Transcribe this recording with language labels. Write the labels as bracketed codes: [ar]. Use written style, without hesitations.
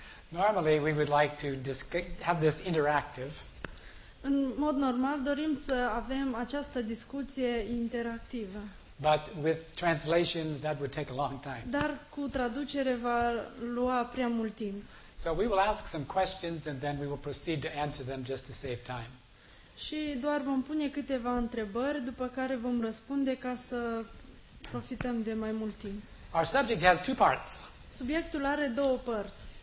[en] Normally we would like to have this interactive. [ro] În mod normal dorim să avem această discuție interactivă. [en] But with translation, that would take a long time. [ro] Dar cu traducere va lua prea mult timp. [en] So we will ask some questions and then we will proceed to answer them just to save time. [ro] Și doar vom pune câteva întrebări, după care vom răspunde ca să profităm de mai mult timp. [en] Our subject has two parts. [ro] Subiectul are două părți.